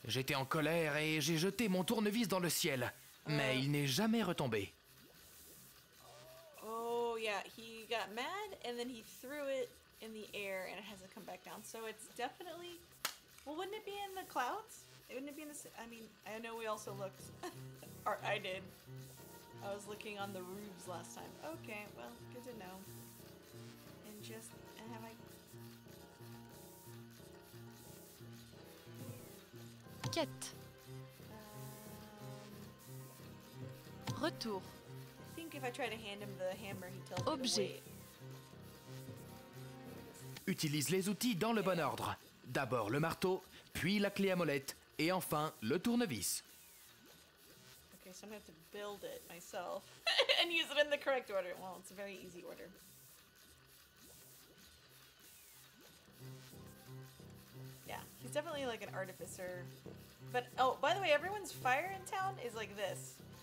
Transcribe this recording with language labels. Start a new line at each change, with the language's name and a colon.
French: J'étais en colère et j'ai jeté mon tournevis dans le ciel. Mais il n'est jamais retombé.
English: Oh, yeah. He got mad and then he threw it in the air and it hasn't come back down. So it's definitely... Well, wouldn't it be in the clouds? Wouldn't it be in the... I mean, I know we also looked... or I did. I was looking on the roofs last time. Okay, well, good to know. And just... And have I...
French: Quête. Retour.
English: I think if I try to hand him the hammer, he tells Objet. Me to wait.
French: Utilise les outils dans le bon ordre. D'abord le marteau, puis la clé à molette, et enfin le tournevis.
English: Okay, so I'm gonna have to build it myself and use it in the correct order. Well, it's a very easy order. Yeah, he's definitely like an artificer. But, oh, by the way, everyone's fire in town is like this.